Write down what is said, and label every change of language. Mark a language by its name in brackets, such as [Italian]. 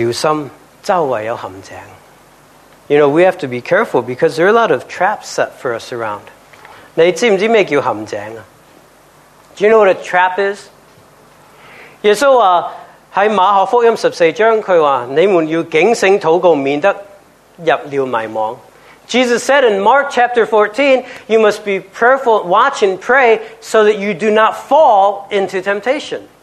[English] 但我们需要小心, you know, we have to be careful because there are a lot of traps set for us around. [Chinese] 你知不知道什么叫陷阱? [English] Do you know what a trap is? 耶稣说, 在马可福音14章, Jesus said in Mark chapter 14, you must be prayerful, watch and pray so that you do not fall into temptation.